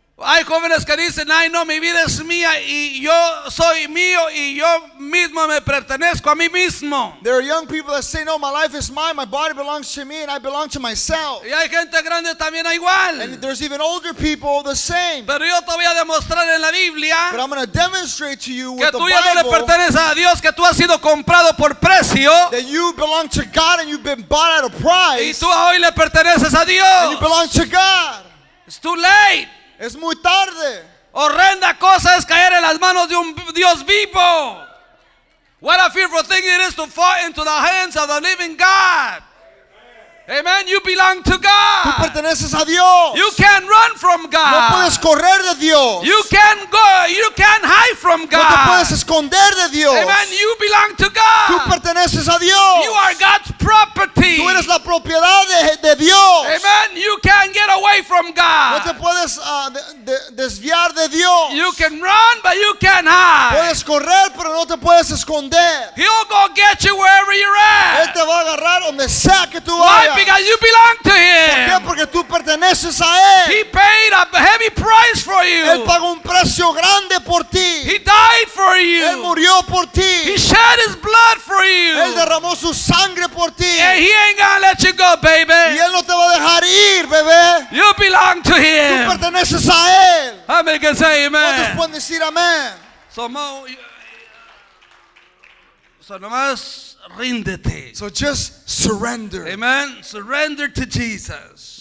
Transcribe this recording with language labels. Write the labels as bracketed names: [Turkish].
[Spanish] Hay jóvenes que dicen, ay no, mi vida es mía y yo soy mío y yo mismo me pertenezco a mí mismo. [English] There are young people that say, no, my life is mine, my body belongs to me and I belong to myself. [Spanish] Y hay gente grande también igual. [English] And there's even older people the same. [Spanish] Pero yo te voy a demostrar en la Biblia. [English] But I'm going to demonstrate to you with the Bible. [Spanish] Que tú ya no le perteneces a Dios, que tú has sido comprado por precio. [English] That you belong to God and you've been bought at a price. [Spanish] Y tú hoy le perteneces a Dios. [English] And you belong to God. It's too late. [Spanish] Es muy tarde. Horrenda cosa es caer en las manos de un Dios vivo. [English] What a fearful thing it is to fall into the hands of the living God. Amen. Amen. You belong to God. [Spanish] Tú perteneces a Dios. [English] You can't run from God. [Spanish] No puedes correr de Dios. [English] You can't go. You can't hide from God. [Spanish] No te puedes esconder de Dios. [English] Amen. You belong to God. [Spanish] Tú perteneces a Dios. [English] You are God's property. [Spanish] Tú eres la propiedad de Dios. [English] Amen. You can't get away from God. [Spanish] No te puedes desviar de Dios. [English] You can run, but you can't hide. [Spanish] Puedes correr, pero no te puedes esconder. [English] He'll go get you wherever you're at. [Spanish] Él te va a agarrar donde sea que tú vayas. [English] Because you belong to him. [Spanish] ¿Por qué? Porque tú perteneces a él. [English] He paid a heavy price for you. [Spanish] Él pagó un precio grande por ti. [English] He died for you. [Spanish] Él murió por ti. [English] He shed his blood for you. [Spanish] Él derramó su sangre por ti. [English] And he ain't gonna let you go, baby. [Spanish] Y él no te va a dejar ir, bebé. [English] You belong to him. [Spanish] Tú perteneces a él. [English] Amen. Can say amen. [Spanish] ¿Cuántos pueden decir amén? [English] So, [Spanish] nomás ríndete. [English] So just surrender. Amen. Surrender to Jesus.